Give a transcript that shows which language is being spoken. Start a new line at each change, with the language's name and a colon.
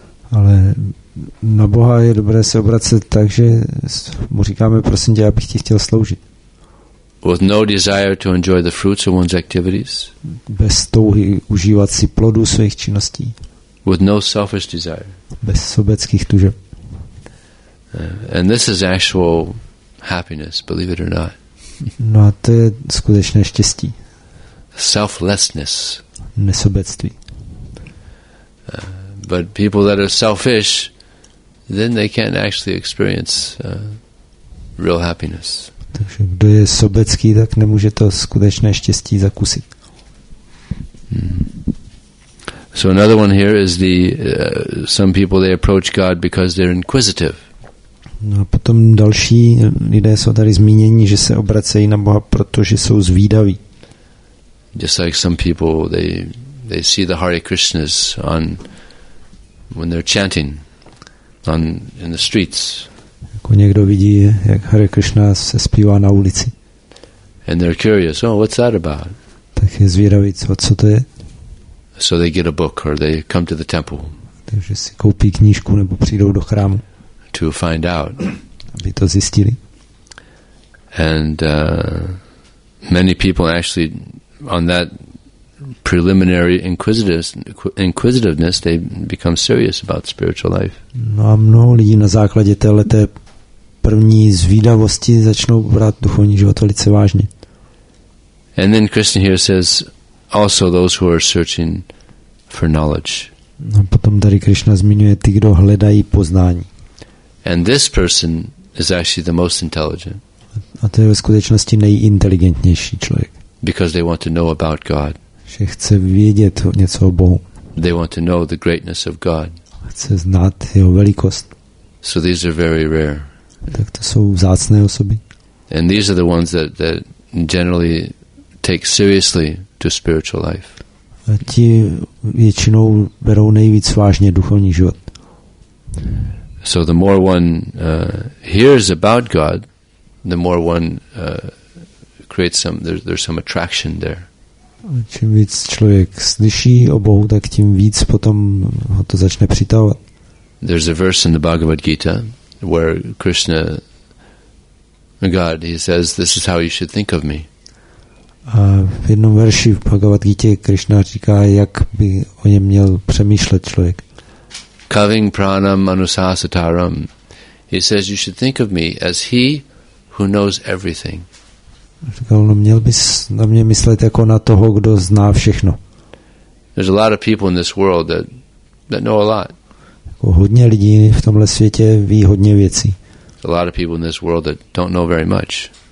Czech: Ale na Boha je dobré se obracet tak, že mu říkáme, prosím tě, abych ti chtěl sloužit.
English: With no desire to enjoy the fruits of one's activities.
Czech: Bez touhy užívat si plodů svých činností.
English: With no selfish desire.
Czech: Bez sobeckých tužeb.
English: And this is actual happiness, believe it or not.
Czech: No a to je skutečné štěstí.
English: Selflessness.
Czech: Nesobectví.
English: But people that are selfish, then they can't actually experience real happiness.
Czech: Takže kdo je sobecký, tak nemůže to skutečné štěstí zakusit.
English: So another one here is the some people, they approach God because they're inquisitive.
Czech: No a potom další lidé jsou tady zmíněni, že se obracejí na Boha, protože jsou zvídaví.
English: Just like some people, they see the Hare Krishnas on when they're chanting on in the streets.
Czech: Jako někdo vidí, jak Hare Krishna se zpívá na ulici.
English: And they're curious, oh, what's that about?
Czech: Tak je zvědavý, co to je.
English: So they get a book or they come to the temple.
Czech: Takže si koupí knížku nebo přijdou do chrámu.
English: To find out.
Czech: Aby to zjistili.
English: And many people actually on that preliminary inquisitiveness, they become serious about spiritual life.
Czech: No a mnoho lidí na základě téhleté první zvídavosti začnou brát duchovní život velice vážně.
English: And then Krishna here says also those who are searching for knowledge.
Czech: No potom tady Krishna zmiňuje ty, kdo hledají poznání.
English: And this person is actually the most intelligent.
Czech: A to je ve skutečnosti nejinteligentnější člověk.
English: Because they want to know about God.
Czech: Že chce vědět něco o Bohu.
English: They want to know the greatness of God.
Czech: Chce znát jeho velikost.
English: So these are very rare.
Czech: Tak to jsou vzácné osoby.
English: And these are the ones that generally take seriously to spiritual life.
Czech: A ti většinou berou nejvíc vážně duchovní život.
English: So the more one hears about God, the more one creates some, there's some attraction there.
Czech: Čím víc člověk slyší o Bohu, tak tím víc potom ho to začne přitahovat.
English: There's a verse in the Bhagavad Gita where Krishna, God, he says, this is how you should think of me.
Czech: A v jednom verši v Bhagavad Gita Krishna říká, jak by o něm měl přemýšlet člověk.
Sanskrit: Kaving pranam anusasataram.
English: He says you should think of me as he who knows everything.
Czech: Říkal, no měl bys na mě myslet jako na toho, kdo zná všechno.
English: There's a lot of people in this world that know a lot.
Czech: Hodně lidí v tomhle světě ví hodně věcí.
English: a lot of people in this world that don't know very much.